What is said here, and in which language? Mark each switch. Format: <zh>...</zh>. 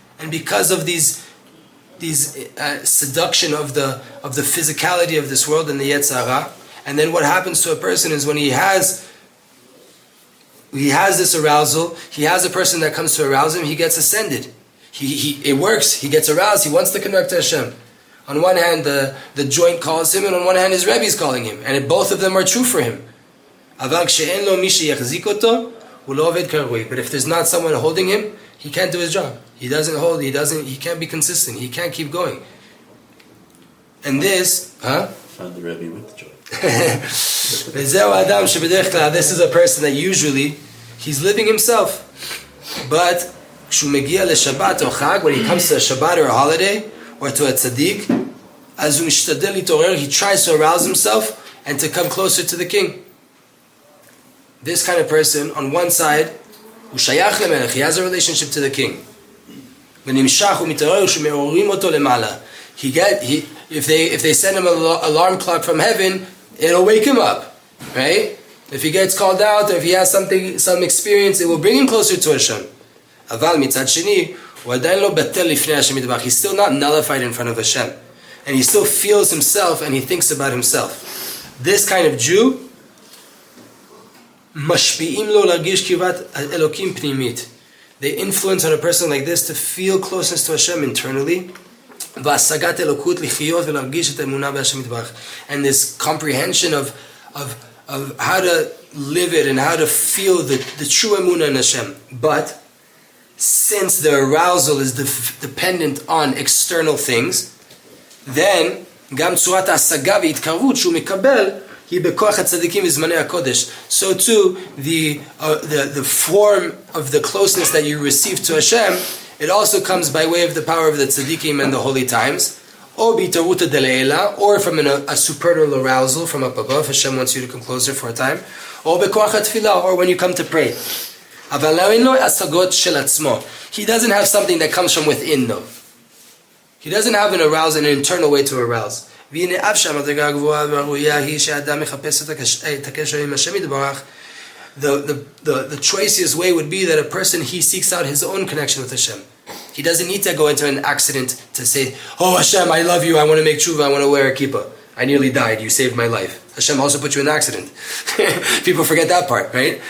<en>And because of these seduction of the physicality of this world and the Yetzirah, and then what happens to a person is when he has this arousal, he has a person that comes to arouse him, he gets ascended. It works, he gets aroused, he wants to connect to Hashem. On one hand, the joint calls him, and on one hand, his Rebbe is calling him. And both of them are true for him.</en> <he>אבל כשאין לו מי שיחזיק אותו, הוא לא עובד כרגוי.</he> <en>But if there's not someone holding him, he can't do his job. He doesn't hold, he can't be consistent. He can't keep going. And this, huh? Found the Rebbe with the joy.</en> <he>וזהו אדם שבדרך כלל,</he> <en>this is a person that usually, he's living himself. But</en> <he>כשהוא מגיע לשבת או חג,</he> <en>when he comes to a Shabbat or a holiday, or to a tzaddik,</en> <he>אז הוא משתדל להתעורר,</he> <en>he tries to arouse himself and to come closer to the king. This kind of person, on one side,</en> <he>הוא שייך למלך,</he> <en>he has a relationship to the king.</en> <he>ונמשך ומתעורר שמעוררים אותו למעלה.</he> <en>If they send him an alarm clock from heaven, it'll wake him up, right? If he gets called out, or if he has some experience, it will bring him closer to Hashem.</en> <he>אבל מצד שני, הוא עדיין לא בטל לפני השם ידבר.</he> <en>He's still not nullified in front of Hashem. And he still feels himself, and he thinks about himself. This kind of Jew,</en> <he>משפיעים לו להרגיש קרבת אלוקים פנימית.</he> <en>They influence on a person like this to feel closeness to Hashem internally.</en> <he>והשגת אלוקות לחיות ולהרגיש את האמונה בהשם יתברך.</he> <en>And this comprehension of how to live it and how to feel the true emunah in Hashem. But since the arousal is dependent on external things, then</en> <he>גם צורת ההשגה והתקרבות שהוא מקבל היא בכוח הצדיקים וזמני הקודש.</he> <en>So too, the form of the closeness that you receive to Hashem, it also comes by way of the power of the tzadikim and the holy times, or</en> <he>בהתערות הדלילה,</he> <en>or from a supernal arousal from up above, Hashem wants you to come closer for a time, or</en> <he>בכוח התפילה,</he> <en>or when you come to pray.</en> <he>אבל אין לו השגות של עצמו.</he> <en>He doesn't have something that comes from within, though. He doesn't have an arousal, an internal way to arouse.</en> <he>והנה אף שם הדרגה הגבוהה והראויה היא שאדם מחפש את הקשר עם השם יתברך.</he> <en>The choicest way would be that a person, he seeks out his own connection with Hashem. He doesn't need to go into an accident to say, oh Hashem, I love you, I want to make tshuva, I want to wear a kippah. I nearly died, you saved my life. Hashem also put you in the accident. People forget that part, right?</en>